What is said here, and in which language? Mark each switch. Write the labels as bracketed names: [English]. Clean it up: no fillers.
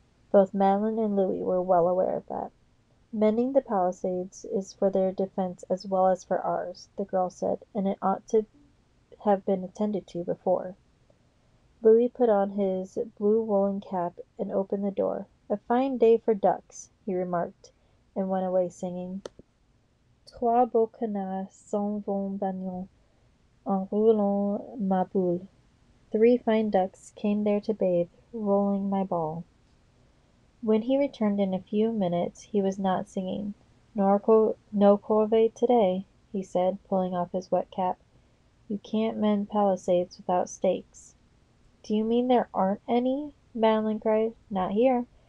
[English] Both Madeleine and Louis were well aware of that. "Mending the palisades is for their defense as well as for ours," the girl said, "and it ought to have been attended to before." Louis put on his blue woolen cap and opened the door. "A fine day for ducks," he remarked, and went away singing. [French] "Trois beaux canards s'en vont baignant en roulant ma boule." [English] Three fine ducks came there to bathe, rolling my ball. When he returned in a few minutes, he was not singing. "No corvée today," he said, pulling off his wet cap. "You can't mend palisades without stakes." "Do you mean there aren't any?" Madeleine cried. "Not here.